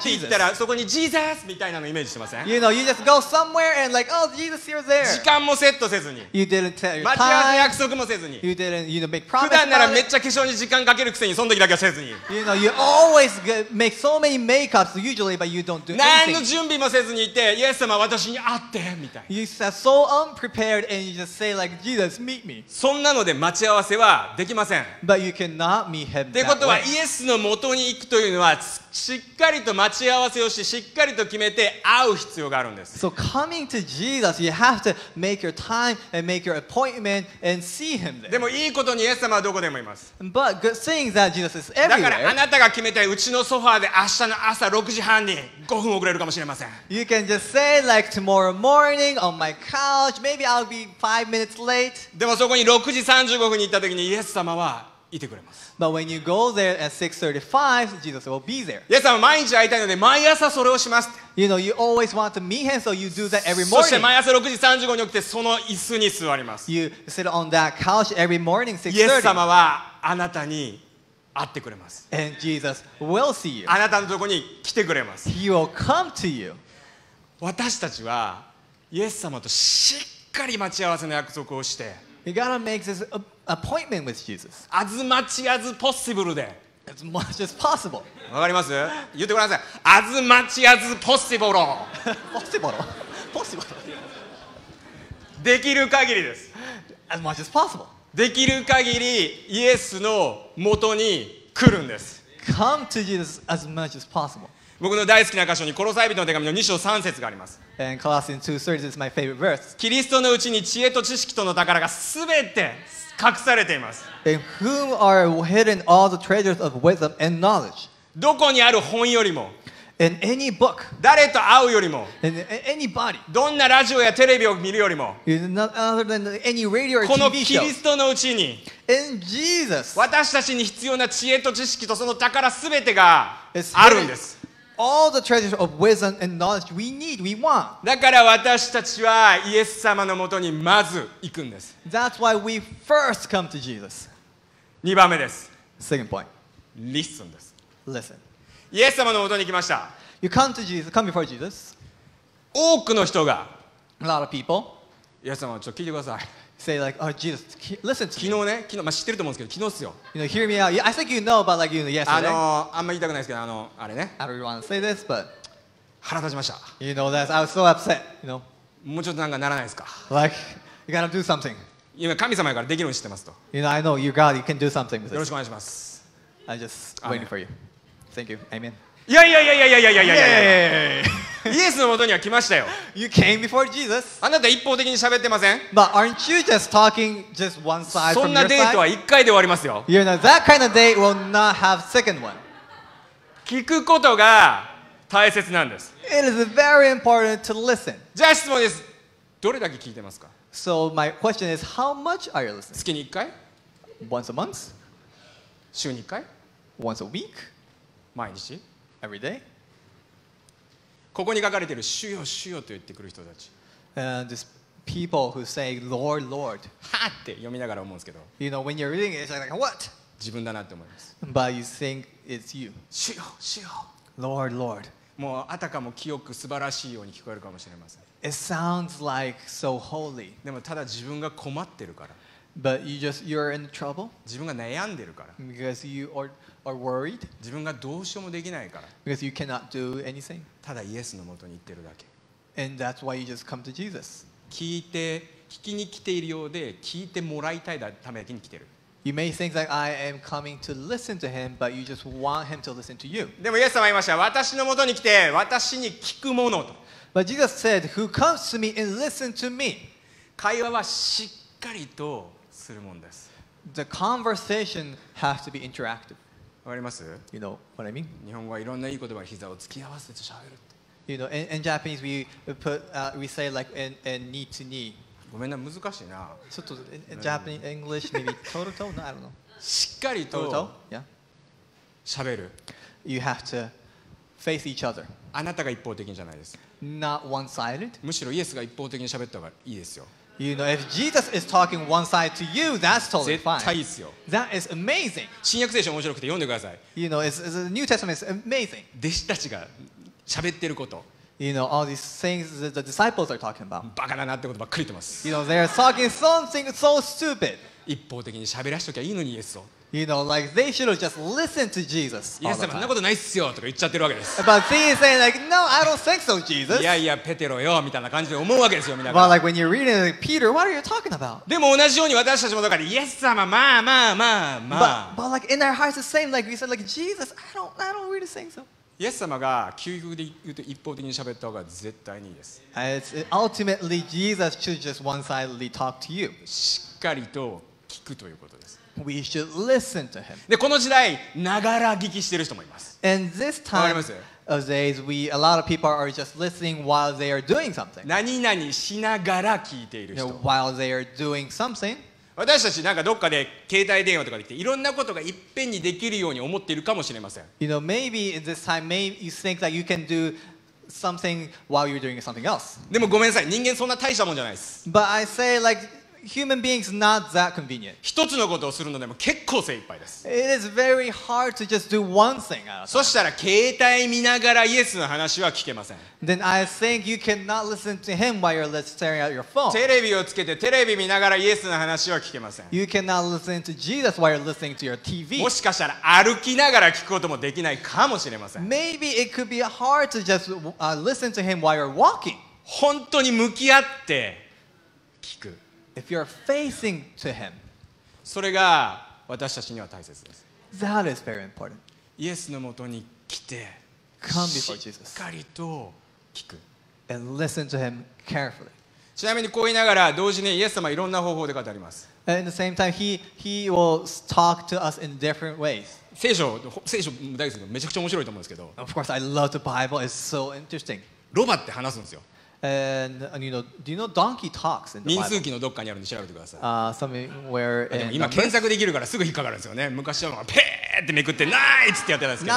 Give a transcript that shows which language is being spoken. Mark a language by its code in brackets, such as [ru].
[ja] パーティー行ったらそこにジーザスみたいなのイメージしてません？ [en] You know, you just go somewhere and like, oh, Jesus, you're there. [ja] 時間もセットせずに。 [en] You didn't tell your time. [ja] 待ち合わせ約束もせずに。 [en] You didn't, you know, make promise. [ja] 普段ならめっちゃ化粧に時間かけるくせにその時だけはせずに。 [en] You know, you always make so many makeups usually, but you don't do anything. [ja] 何の準備もせずにいて、イエス様私に会ってみたい。 [en] You are so unprepared and you just say like, Jesus, meet me. [ja] そんなので待ち合わせはできません。 [en] But you cannot meet him that way. [ja] ってことはイエスの元に行くというのはしっかりと待ち合わせをして、しっかりと決めて会う必要があるんです。 [en] So coming to Jesus, you have to make your time and make your appointment and see him there. [ja] でもいいことにイエス様はどこでもいます。 [en] But good thing that Jesus is everywhere. [ja] だからあなたが決めたいうちのソファーで明日の朝6時半に5分遅れるかもしれません。 [en] You can just say like tomorrow morning on my couch, maybe I'll be 5 minutes late. [ja] でもそこに6時35分に行った時にイエス様はいてくれます。 [en] But when you go there at 6:35, Jesus will be there. [ja] イエス様毎日会いたいので毎朝それをします。 [en] You know, you always want to meet him, so you do that every morning. [ja] そして毎朝6時35分に起きてその椅子に座ります。 [en] You sit on that couch every morning 6:30. [ja] イエス様はあなたに会ってくれます。 [en] And Jesus will see you. [ja] あなたのところに来てくれます。 [en] He will come to you. [ja] 私たちはイエス様としっかり待ち合わせの約束をして、 [en] You gotta make this appointment with Jesus. As much as possible で。 As much as possible. [ja] わかります？言ってください。 [en] As much as possible. Possible? Possible? [ja] できる限りです。 [en] As much as possible. [ja] できる限りイエスの元に来るんです。 [en] Come to Jesus as much as possible. [ja] 僕の大好きな箇所にコロサイ人の手紙の2章3節があります。 [en] And Colossians 2:30 is my favorite verse. [ja] キリストのうちに知恵と知識との宝がすべて隠されています。 [en] In whom are hidden all the treasures of wisdom and knowledge? [ja] どこにある本よりも、 [en] In any book, [ja] 誰と会うよりも、 [en] In anybody, [ja] どんなラジオやテレビを見るよりも、 [en] Not other than any radio or TV [ja] このキリストのうちに、 [en] In Jesus, [ja] 私たちに必要な知恵と知識とその宝すべてがあるんです。 [en] All the treasures of wisdom and knowledge we need, we want. [ja] だから私たちはイエス様のもとにまず行くんです。 [en] That's why we first come to Jesus. [ja] 2番目です。 [en] Second point. Listen です。 Listen. [ja] イエス様のもとに来ました。 [en] You come to Jesus, come before Jesus. [ja] 多くの人が、 [en] A lot of people. [ja] イエス様ちょっと聞いてください。 [en] Say like, oh Jesus, listen to me. [ja] 昨日ね、昨日、まあ、知ってると思うんですけど、昨日っすよ。 [en] You know, hear me out. I think you know, but like you know, yesterday. [ja] あんま言いたくないですけど、あれね。 [en] I don't want to say this, but [ja] 腹立ちました。 [en] You know that I was so upset. You know. [ja] もうちょっとなんかならないですか。 [en] Like, you gotta do something. [ja] 今神様やからできるの知ってますと。 [en] You know, I know you God, you can do something. [ja] よろしくお願いします。 [en] I just waiting for you. Thank you. Amen. [ja] いやいやいやいやいやいやいやいや。イエスの元には来ましたよ。 [en] You came before Jesus. [ja] あなた一方的に喋ってません。 [en] But aren't you just talking just one side from your side? [ja] そんなデートは一回で終わりますよ。 [en] You know that kind of date will not have second one. [ja] 聞くことが大切なんです。 [en] It is very important to listen. [ja] じゃあ質問です。どれだけ聞いてますか。 [en] So my question is, how much are you listening? [ja] 月に一回。 [en] Once a month. [ja] 週に一回。 [en] Once a week. [ja] 毎日。 [en] Every day. [ja] ここに書かれている主よ主よと言ってくる人たち、 [en] this people who say Lord Lord、 [ja] はーって読みながら思うんですけど、 [en] you know when you're reading it, it's like what? [ja] 自分だなって思います。 [en] But you think it's you. [ja] 主よ主よ。 [en] Lord Lord。 [ja] もうあたかも清く素晴らしいように聞こえるかもしれません。 [en] It sounds like so holy. [ja] でもただ自分が困ってるから。 [en] But you just you're in trouble. [ja] 自分が悩んでるから。 [en] Because you are worried. [ja] 自分がどうしようもできないから。 [en] Because you cannot do anything. [ja] ただイエスの元に行ってるだけ。 [en] And that's why you just come to Jesus. [ja] 聞きに来ているようで、聞いてもらいたいためだけに来てる。 [en] You may think that I am coming to listen to him, but you just want him to listen to you. [ja] でもイエス様言いました。私の元に来て、私に聞くものと。 [en] But Jesus said, who comes to me and listen to me. [ja] 会話はしっかりとするものです。 [en] The conversation has to be interactive. [ja] わかります？ [en] You know what I mean? [ja] 日本語はいろんないい言葉を膝を突き合わせて喋るって。 [en] You know, in Japanese we put, we say like in knee to knee. [ja] ごめんな難しいな。ちょっと [en] in Japanese English maybe toe to toe? No, I don't know. [ja] しっかりと [en] toe to toe? Yeah. [ja] 喋る。 [en] You have to face each other. [ja] あなたが一方的じゃないです。 [en] Not one-sided. [ja] むしろイエスが一方的に喋った方がいいですよ。 [en] You know, if Jesus is talking one side to you, that's totally fine. [ja] 絶対いいっすよ。 [en] That is amazing. [ja] 新約聖書面白くて読んでください。 [en] You know, it's the New Testament is amazing. [ja] 弟子たちが喋ってること。 [en] You know, all these things that the disciples are talking about. [ja] バカだなってことばっかり言ってます。 [en] You know, they are talking something so stupid. [ja] 一方的に喋らしときゃいいのに、イエスを。 [en] You know, like they should have just listened to Jesus. Yes, [ja] そんなことないっすよとか言っちゃってるわけです。 [en] But he is saying like, no, I don't think so, Jesus. [ja] いやいや、ペテロよみたいな感じで思うわけですよ、みんなが。 [en] But like when you're reading, like, Peter, what are you talking about? [ja] でも同じように私たちもだから、イエス様、まあまあまあまあ。 [en] But like in our hearts, the same, like we said, like Jesus, I don't really think so. [ja] イエス様が究極で言うと一方的に喋った方が絶対にいいです。 [en] It's ultimately Jesus should just one-sidedly talk to you. [ja] しっかりと聞くということです。 [en] We should listen to him. [ja] でこの時代ながら聞きしてる人もいます。 [en] And this time of days, we a lot of people are just listening while they are doing something. [ja] 何々しながら聞いている人。 [en] You know, while they are doing something. [ja] 私たちなんかどっかで携帯電話とかできて、いろんなことがいっぺんにできるように思っているかもしれません。 [en] You know, maybe in this time, maybe you think that you can do something while you're doing something else. [ja] でもごめんなさい、人間そんな大したもんじゃないです。 [en] But I say like. Human beings not that convenient. [ja] 一つのことをするのでも結構精一杯です。 [en] It is very hard to just do one thing. [ja] そしたら携帯見ながらイエスの話は聞けません。 [en] Then I think you cannot listen to him while you're staring at your phone. [ja] テレビをつけてテレビ見ながらイエスの話は聞けません。 [en] You cannot listen to Jesus while you're listening to your TV. [ja] もしかしたら歩きながら聞くこともできないかもしれません。 [en] Maybe it could be hard to just listen to him while you're walking. [ja] 本当に向き合って聞く。 [en] If you're facing to him, [ja] それが私たちには大切です。 [en] That is very important. [ja] イエスのもとに来て、 [en] Come before Jesus. [ja] しっかりと聞く。 [en] And listen to him carefully. [ja] ちなみにこう言いながら、同時にイエス様いろんな方法で語ります。 [en] And at the same time, he will talk to us in different ways. [ja] 聖書大好きで、めちゃくちゃ面白いと思うんですけど。 [en] Of course, I love the Bible. It's so interesting. [ja] ロバって話すんですよ。 [en] And you know, do you know donkey talks in the Bible? [ja] 民数記のどっかにあるんで調べてください。 [en] Somewhere in Numbers. [ja] でも今検索できるからすぐ引っかかるんですよね。昔はペーってめくってナイツってやってたんですけど。